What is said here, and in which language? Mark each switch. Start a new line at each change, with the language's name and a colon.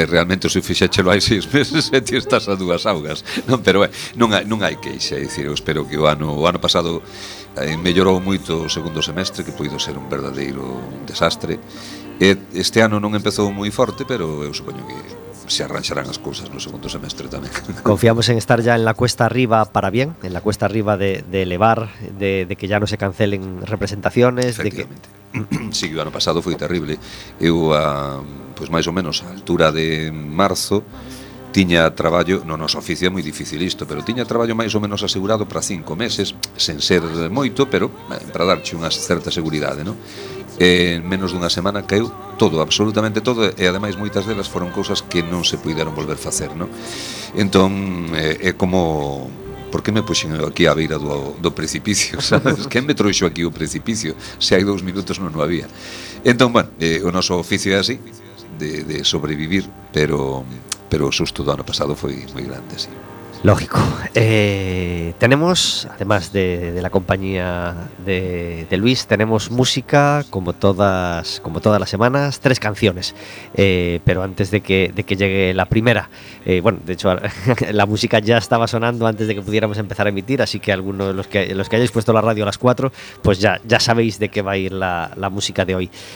Galician: Realmente, se fixéchelo hai seis meses, e ti estás a dúas augas, non? Pero non hai queixa, é dicir, eu espero que o ano pasado mellorou moito o segundo semestre, que puido ser un verdadeiro desastre. Este ano non empezou moi forte, pero eu supoño que se arrancharán as cousas no segundo semestre tamén.
Spanish: Confiamos en estar ya en la cuesta arriba para bien, en la cuesta arriba de elevar, de que ya no se cancelen representaciones. Efectivamente.
Galician: Sí, o ano pasado foi terrible. Eu, pues, máis ou menos a altura de marzo, tiña traballo, no noso oficio é moi difícil isto, pero tiña traballo máis ou menos asegurado para 5 meses, sen ser moito, pero para darche unha certa seguridade, non? En menos dunha semana caeu todo, absolutamente todo, e ademais moitas delas foron cousas que non se puideron volver facer, non? Entón, é como... Por que me puxen aquí a beira do precipicio, sabes? Quen me trouxo aquí o precipicio? Se hai 2 minutos non o había. Entón, bueno, o noso oficio é así, de sobrevivir, pero o susto do ano pasado foi moi grande, sí.
Spanish: Lógico. Tenemos, además de la compañía de Luis, tenemos música, como todas las semanas, 3 canciones. Pero antes de que llegue la primera, bueno, de hecho la música ya estaba sonando antes de que pudiéramos empezar a emitir, así que algunos de los que hayáis puesto la radio a las 4, pues ya sabéis de qué va a ir la música de hoy.